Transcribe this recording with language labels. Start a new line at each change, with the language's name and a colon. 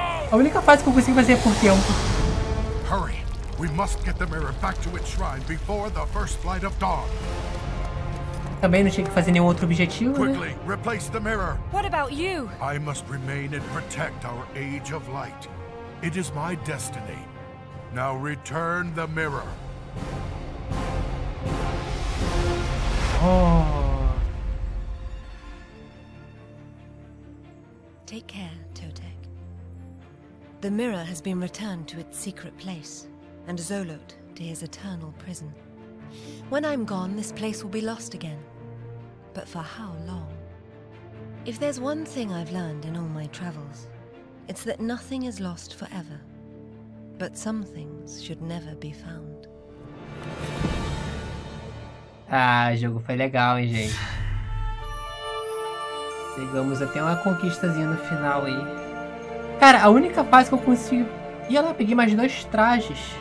Portuguese: A única fase que eu consigo fazer é por tempo.
English: Hurry! We must get the mirror back to its shrine before the first flight of dawn.
Portuguese: Também não tinha que fazer nenhum outro objetivo.
English: Quickly, replace the mirror. What about you? I must remain and protect our age of light. It is my destiny. Now return the mirror. Oh. Take care, Totec. The mirror has been returned to its secret place, and Zolot to his eternal prison. When I'm gone, this place will be lost again. But for how long? If there's one thing I've learned in all my travels, it's that nothing is lost forever. But some things should never be found.
Portuguese: Ah, o jogo foi legal, hein, gente? Chegamos até uma conquistazinha no final aí. Cara, a única fase que eu consigo... Ia lá, peguei mais dois trajes.